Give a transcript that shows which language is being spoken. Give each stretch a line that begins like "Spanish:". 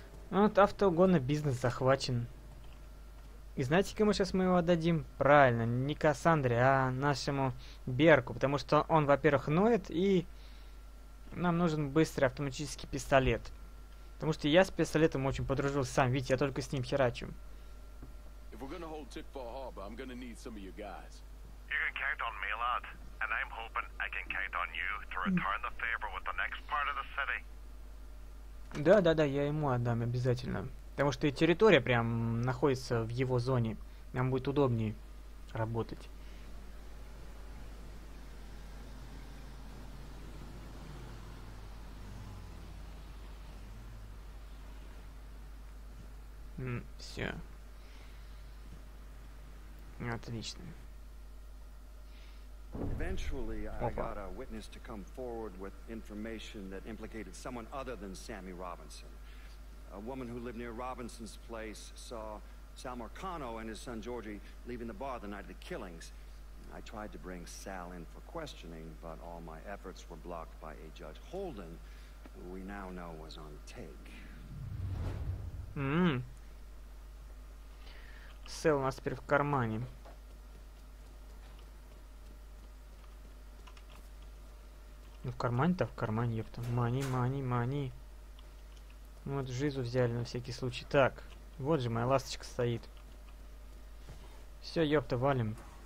Russian: Вот автоугонный бизнес захвачен. И знаете, кому сейчас мы его отдадим? Правильно, не Кассандре, а нашему Берку. Потому что он, во-первых, ноет, и нам нужен быстрый автоматический пистолет. Потому что я с пистолетом очень подружился сам, видите, я только с ним херачу.
English: If we're gonna hold Tickfall Harbor, I'm gonna need some of you guys. You can count on me, lad. And I'm hoping I can count on you to return the favor with the next part of the city.
Russian: Да, я ему отдам обязательно. Потому что территория прям находится в его зоне. Нам будет удобнее работать. Все. Отлично.
English: Eventually I got a witness to come forward with information that implicated someone other than Sammy Robinson. A woman who lived near Robinson's place saw Sal Marcano and his son Georgie leaving the bar the night of the killings. I tried to bring Sal in for questioning, but all my efforts were blocked by a Judge Holden, who we now know was on take.
Russian: Сэл у нас теперь в кармане. Ну в кармане-то в кармане, ёпта. Мани. Вот Жизу взяли на всякий случай. Так, вот же моя ласточка стоит. Все, ёпта, валим.